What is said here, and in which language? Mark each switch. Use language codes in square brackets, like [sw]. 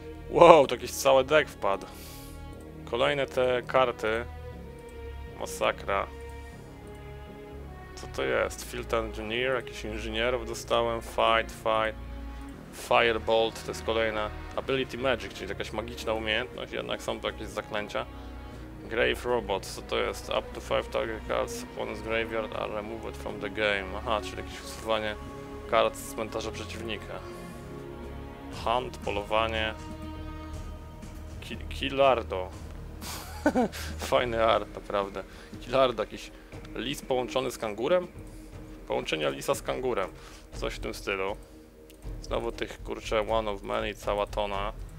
[pl] Wow, to jakiś cały deck wpadł. Kolejne te karty. Masakra. Co to jest? Field Engineer? Jakiś inżynierów dostałem. Fight. Firebolt to jest kolejna. Ability Magic, czyli jakaś magiczna umiejętność. Jednak są to jakieś zaklęcia. Grave Robot, co to jest? [en] Up to 5 target cards upon his graveyard are removed from the game. [pl] Aha, czyli jakieś usuwanie kart z cmentarza przeciwnika. Hunt, polowanie. Killardo. Fajny art, naprawdę. Killardo, jakiś lis połączony z kangurem? Połączenie lisa z kangurem. Coś w tym stylu. Znowu tych, kurczę, one of many, cała tona.